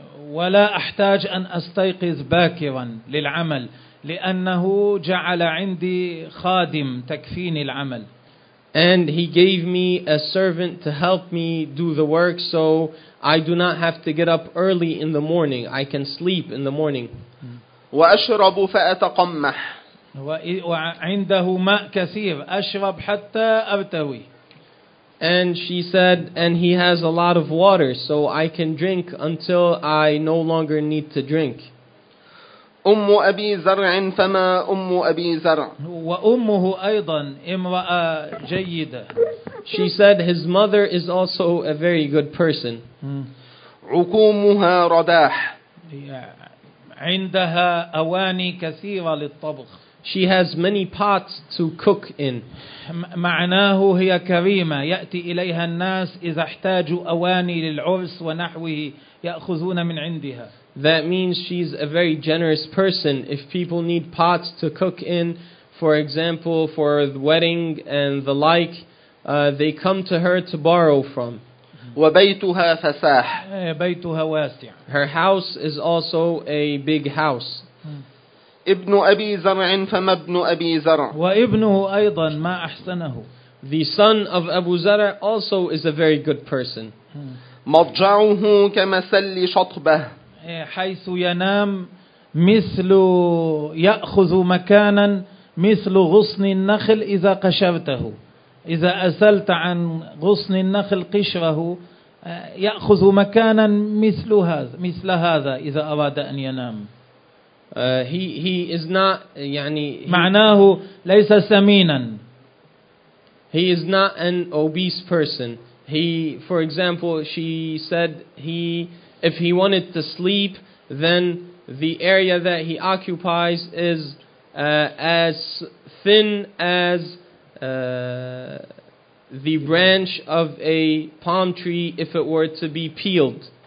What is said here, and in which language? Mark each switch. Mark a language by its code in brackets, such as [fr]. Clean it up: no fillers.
[ar] ولا أحتاج أن أستيقظ باكرا للعمل لأنه جعل عندي خادم تكفيني العمل [en] And he gave me a servant to help me do the work so I do not have to get up early in the morning. I can sleep in the morning. [ar] وأشرب فأتقمح وعنده ماء كثير أشرب حتى أرتوي [en] And she said, and he has a lot of water so I can drink until I no longer need to drink. [ar] أم أبي زرع فما أم أبي زرع وأمه أيضا امرأة جيدة [en] She said his mother is also a very good person [ar] عكومها رداح عندها أواني كثيرة للطبخ [en] She has many pots to cook in [ar] معناه هي كريمة يأتي إليها الناس إذا احتاجوا أواني للعرس ونحوه يأخذون من عندها [en] That means she's a very generous person. If people need pots to cook in, for example, for the wedding and the like, they come to her to borrow from. [ar] وبيتها فساح. بيتها واسع. [en] Her house is also a big house. [ar] ابن أبي زرع فما ابن أبي زرع. وابنه أيضا ما أحسنه. [en] The son of Abu Zar'a also is a very good person. [ar] مضجعه كمسل شطبه. حيث ينام مثل يأخذ مكانا مثل غصن النخل إذا قشرته إذا أزلت عن غصن النخل قشره يأخذ مكانا مثل هذا مثل هذا إذا أراد أن ينام [en] he is not [ar] يعني معناه ليس سمينا [en] he is not an obese person he for example she said he If he wanted to sleep, then the area that he occupies is as thin as the branch of a palm tree if it were to be peeled.